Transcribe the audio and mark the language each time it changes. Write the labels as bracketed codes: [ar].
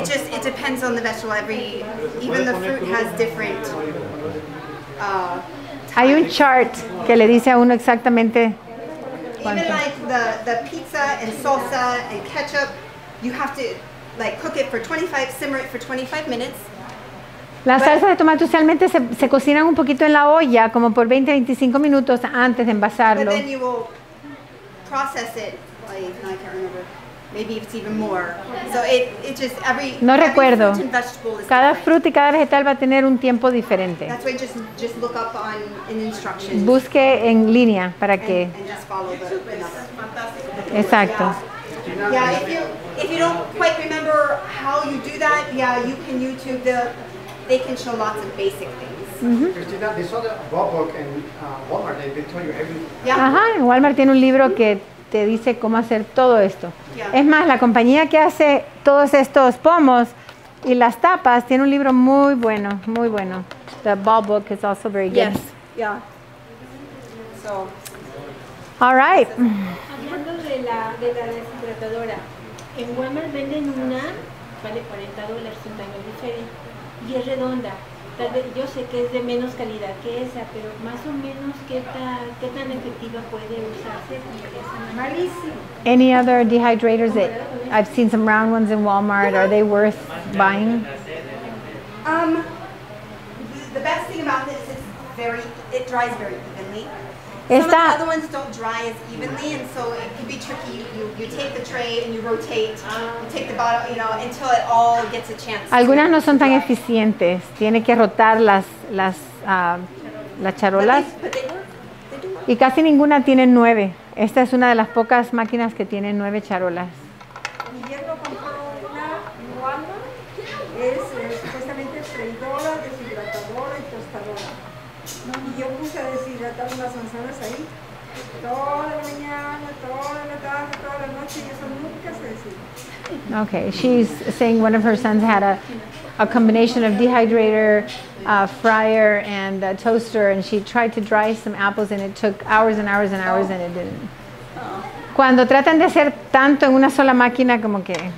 [en] It depends on the vegetable. Even the fruit has different. [es] Hay un chart que le dice a uno exactamente. [en] Even like the pizza and salsa and ketchup. You have to cook it for 25, simmer it for 25 minutes. [es] La salsa de tomate usualmente se cocina un poquito en la olla, como por 20, 25 minutos antes de envasarlo. [en] But then you will process it. I can't remember. maybe it's even more. So it just every [es] no recuerdo. Cada fruta y cada vegetal va a tener un tiempo diferente. [en] That's why just look up on an instruction. [es] Busque en línea para que. [en] And just follow the [es] exacto. [en] Yeah, if you don't quite remember how you do that, yeah, you can YouTube the. They can show lots of basic things. Mm-hmm. Cristina, they saw the Bob book in Walmart. They told you everything. Yeah. [es] Ajá, en Walmart tiene un libro que te dice cómo hacer todo esto. [en] Yeah. [es] Es más, la compañía que hace todos estos pomos y las tapas tiene un libro muy bueno, muy bueno. [en] The Bob book is also very good. Yes. Yeah. So. All right. [es] Hablando de la deshidratadora, en Walmart venden una, vale $40, un tamaño diferente, y es redonda. Tal vez, yo sé que es de menos calidad que esa, pero más o menos, ¿qué tan efectiva puede usarse? Malísimo. [en] Any other dehydrators that I've seen some round ones in Walmart, are they worth buying? The best thing about this is it dries very evenly. Some of the other ones don't dry as evenly, and so it can be tricky. You take the tray and you rotate, you take the bottle, you know, until it all gets a chance. [es] Algunas no son tan eficientes. Tiene que rotar las charolas. [en] But they [es] y casi ninguna tiene 9. Esta es una de las pocas máquinas que tiene 9 charolas. Guillermo compró una Wanda. Es supuestamente freidora, deshidratadora y tostadora. Y yo puse a deshidratar unas manzanas ahí. Toda la mañana, toda la tarde, toda la noche. Y eso nunca se deshidrató. [en] Okay, she's saying one of her sons had a combination of dehydrator, fryer, and a toaster, and she tried to dry some apples, and it took hours and hours and hours, and it didn't. [es] Cuando tratan de hacer tanto en una sola máquina, como que...